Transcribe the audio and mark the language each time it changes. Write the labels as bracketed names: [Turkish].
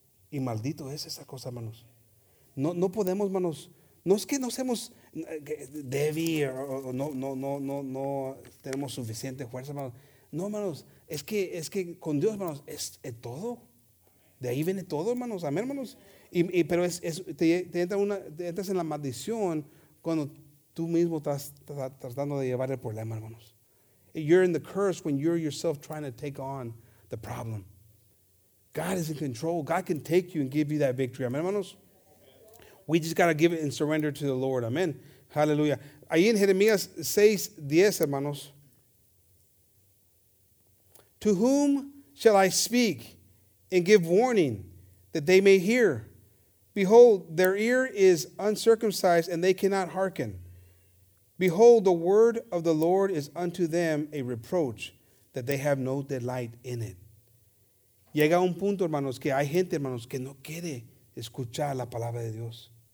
[Spanish] Y maldito es esa cosa, hermanos. No podemos, hermanos, no es que no seamos débil o no tenemos suficiente fuerza, hermanos. No, hermanos, es que con Dios, hermanos, es todo. De ahí viene todo, hermanos. Amén, hermanos. Y pero te entras en la maldición cuando tú mismo estás tratando de llevar el problema, hermanos. [English] You're in the curse when you're yourself trying to take on the problem. God is in control. God can take you and give you that victory. [Spanish] Amén, hermanos. [English] We just got to give it and surrender to the Lord. Amen. Hallelujah. [Spanish] Ahí en Jeremías 6:10, hermanos. [English] To whom shall I speak and give warning that they may hear? Behold, their ear is uncircumcised and they cannot hearken. Behold, the word of the Lord is unto them a reproach that they have no delight in it. [Spanish] Llega un punto, hermanos, que hay gente, hermanos, que no quiere escuchar la palabra de Dios.